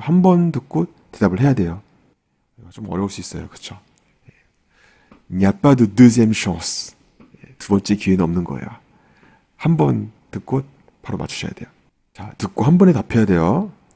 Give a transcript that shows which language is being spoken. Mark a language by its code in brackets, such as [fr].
[ko] 한번 듣고 대답을 해야 돼요. 좀 어려울 수 있어요. 그쵸? [fr] Il n'y a pas de deuxième chance. [ko] 두 번째 기회는 없는 거예요. 한번 듣고 바로 맞추셔야 돼요. 자, 듣고 한 번에 답해야 돼요.